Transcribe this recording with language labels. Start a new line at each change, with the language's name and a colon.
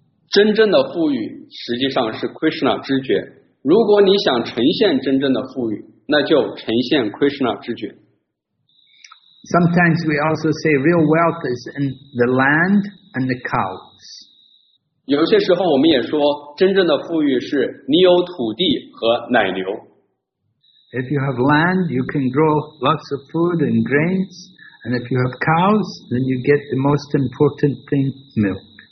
Chinese: 真正的富裕实际上是 Krishna 知觉。如果你想呈现真正的富裕，那就呈现 Krishna 知觉。
English: Sometimes we also say real wealth is in the land and the cows.
Chinese: 有些时候我们也说真正的富裕是你有土地和奶牛。
English: If you have land, you can grow lots of food and grains. And if you have cows, then you get the most important thing, milk.